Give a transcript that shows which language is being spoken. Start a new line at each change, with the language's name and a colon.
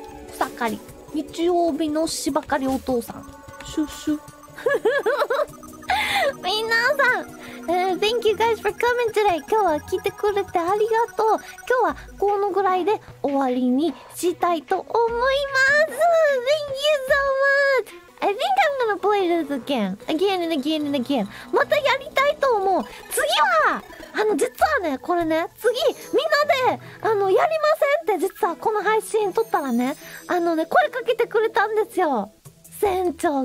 Japanese: 草刈り日曜日の芝刈りお父さん、シュシュ。みなさん、
English: Thank you guys for coming today。
Japanese: 今日は来てくれてありがとう。今日はこのぐらいで終わりにしたいと思います。
English: Thank you so much。 I think I'm gonna play this again and again。
Japanese: またやりたいと思う。次は実はね、これね、次、みんなで、やりませんって、実は、この配信撮ったらね、ね、声かけてくれたんですよ。船長が。